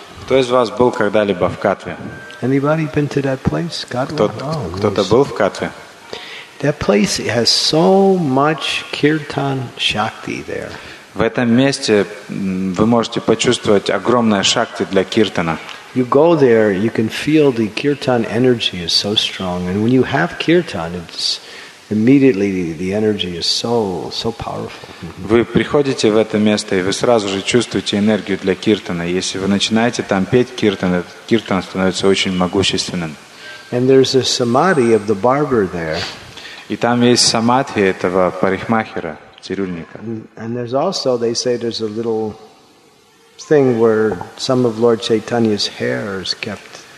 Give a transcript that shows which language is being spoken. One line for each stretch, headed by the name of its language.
Russian: Кто из вас был когда-либо в Катве?
English: Anybody been to that place, Katwa?
Russian: Кто-то был в Катве?
English: That place has so much kirtan shakti there.
Russian: В этом месте вы можете почувствовать огромное шакти для киртана.
English: You go there, you can feel the kirtan energy is so strong, and when you have kirtan, it's immediately the energy is so powerful.
Russian: Вы приходите в это место, и вы сразу же чувствуете энергию для киртана. Если вы начинаете там петь киртан, этот киртан становится очень могущественным.
English: And there's a samadhi of the barber there.
Russian: И там есть самадхи этого парикмахера, цирюльника.
English: And there's also, they say, there's a little thing where some of Lord Chaitanya's hair is kept.